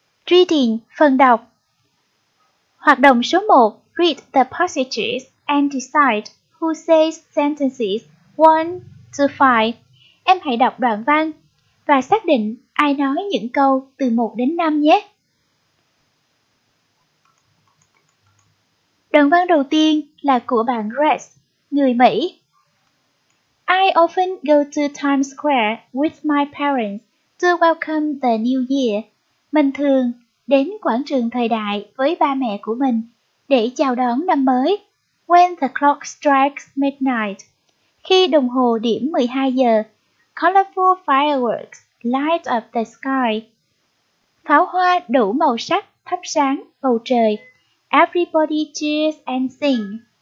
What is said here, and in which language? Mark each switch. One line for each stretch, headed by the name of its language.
English: Reading,
Vietnamese: phần đọc. Hoạt động số 1,
English: read the passages and decide who says sentences 1 to 5.
Vietnamese: Em hãy đọc đoạn văn và xác định ai nói những câu từ 1 đến 5 nhé. Đoạn văn đầu tiên là của bạn Grace, người Mỹ.
English: I often go to Times Square with my parents to welcome the new year.
Vietnamese: Mình thường đến quảng trường thời đại với ba mẹ của mình để chào đón năm mới.
English: When the clock strikes midnight,
Vietnamese: khi đồng hồ điểm 12 giờ,
English: colorful fireworks light up the sky.
Vietnamese: Pháo hoa đủ màu sắc thắp sáng bầu trời.
English: Everybody cheers and sing.